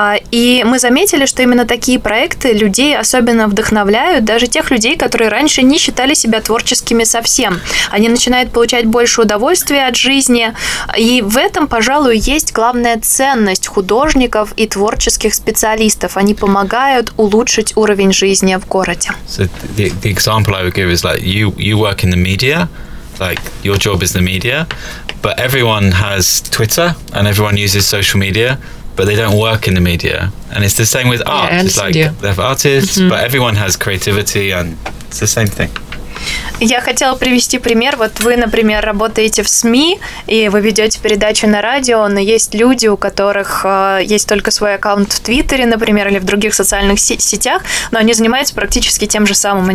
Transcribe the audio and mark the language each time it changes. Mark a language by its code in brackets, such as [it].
[ru] И мы заметили, что именно такие проекты людей особенно вдохновляют, даже тех людей, которые раньше не считали себя творческими совсем. Они начинают получать больше удовольствия от жизни. И в этом, пожалуй, есть главная ценность художников и творческих специалистов. Они помогают улучшить уровень жизни в городе. [en] So the example I would give is like you work in the media, like your job is the media, but everyone has Twitter and everyone uses social media, but they don't work in the media. And it's the same with art. Yeah, it's like they have artists, mm-hmm. but everyone has creativity and it's the same thing. [ru] Я хотела привести пример. Вот вы, например, работаете в СМИ, и вы ведете передачу на радио, но есть люди, у которых есть только свой аккаунт в Твиттере, например, или в других социальных сетях, но они занимаются практически тем же самым.